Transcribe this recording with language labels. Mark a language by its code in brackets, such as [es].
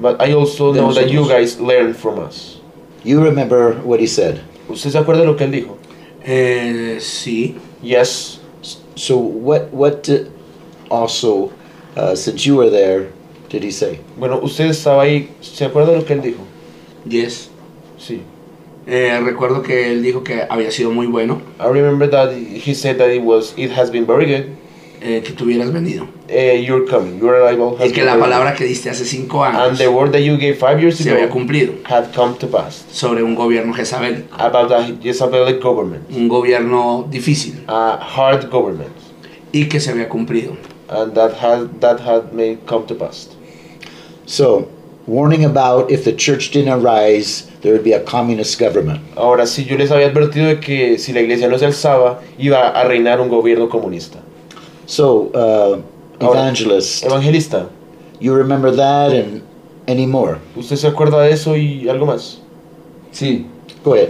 [en] But I also know that you guys learn from us. You remember what he said. [es] ¿Usted se acuerda lo que él dijo? Sí. [en] Yes. So what also, since you were there, did he say? [es] Bueno, usted estaba ahí. ¿Se acuerda lo que él dijo? [en] Yes. [es] Sí. Recuerdo que él dijo que había sido muy bueno. [en] I remember that he said that it has been very good. [es] que tú hubieras venido. [en] You're coming. Your arrival has been. [es] Es que la palabra que diste hace 5 años. [en] And the word that you gave 5 years ago. [es] Se había cumplido. [en] Had come to pass. [es] Sobre un gobierno jezabelico. [en] About a Jezabelic government. [es] Un gobierno difícil. [en] A hard government. [es] Y que se había cumplido. [en] And that had made come to pass. So, warning about if the church didn't arise, there would be a communist government. [es] Ahora, si yo les había advertido de que si la iglesia no se alzaba, iba a reinar un gobierno comunista. [en] So, evangelist. [es] Ahora, evangelista. [en] You remember that and any more? [es] ¿Usted se acuerda de eso y algo más? Sí. [en] Go ahead.